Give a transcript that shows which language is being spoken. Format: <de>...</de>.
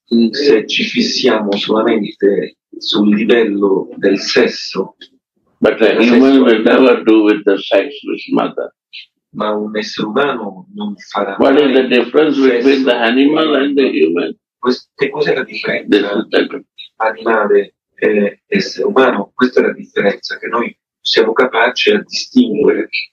<it>Se ci fissiamo solamente sul livello del sesso.</it> <en>But a human will never do with the sex with mother.</en> <it>Ma un essere umano non farà.</it> <en>What is the difference between the animal and the human?</en> <it>Che cos'è la differenza? Animale e essere umano. Questa è la differenza che noi siamo capaci a distinguere.</it>